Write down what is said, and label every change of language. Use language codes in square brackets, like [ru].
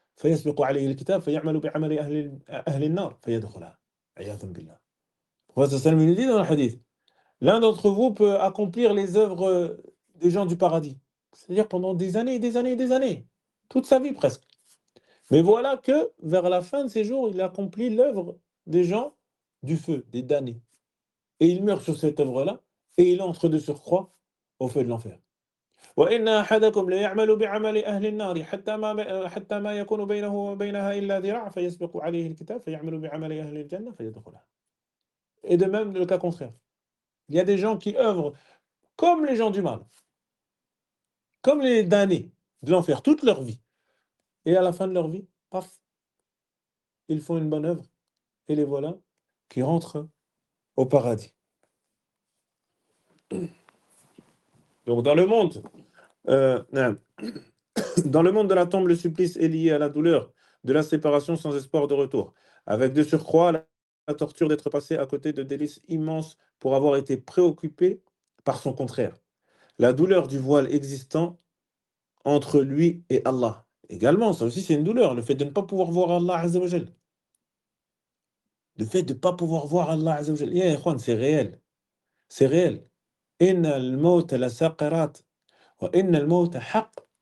[ar] فيسبق عليه الكتاب فيعمل بعمل أهل النار فيدخلها عياذا بالله. وسلم يقول [fr] dans le hadith, l'un d'entre vous peut accomplir les œuvres des gens du paradis, c'est-à-dire pendant des années et des années et des années, toute sa vie presque. Mais voilà que vers la fin de ses jours, il accomplit l'œuvre des gens du feu, des damnés. Et il meurt sur cette œuvre-là et il entre de surcroît au feu de l'enfer. [ar] وإن أحدكم ليعمل بعمل أهل النار حتى ما يكون بينه وبينها إلا ذراع فيسبق عليه الكتاب فيعمل بعمل أهل الجنة فيدخلها. [fr] Et de même le cas contraire. Il y a des gens qui œuvrent comme les gens du mal, comme les damnés de l'enfer toute leur vie. Et à la fin de leur vie, paf, ils font une bonne œuvre et les voilà qui rentrent au paradis. Donc dans le monde, dans le monde de la tombe, le supplice est lié à la douleur de la séparation sans espoir de retour, avec de surcroît la torture d'être passé à côté de délices immenses pour avoir été préoccupé par son contraire. La douleur du voile existant entre lui et Allah. Également, ça aussi c'est une douleur, le fait de ne pas pouvoir voir Allah Azzawajal. Le fait de ne pas pouvoir voir Allah Azzawajal. Yeah, Ikhwan, c'est réel. C'est réel. [ar] إن الموت لسقرات وإن الموت حق.